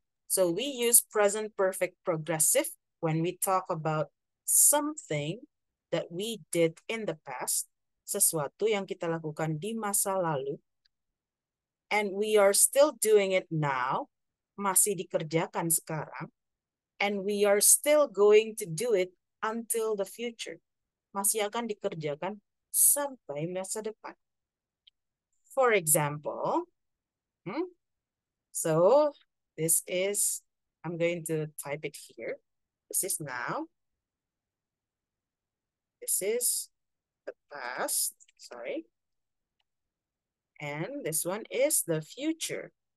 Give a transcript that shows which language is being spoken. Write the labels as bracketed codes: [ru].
[en] So we use present perfect progressive when we talk about something that we did in the past, [id] sesuatu yang kita lakukan di masa lalu, [en] and we are still doing it now, [id] masih dikerjakan sekarang, [en] and we are still going to do it until the future. [id] Masih akan dikerjakan sampai masa depan. [en] For example, so this is, I'm going to type it here. This is now. This is the past, sorry. And this one is the future.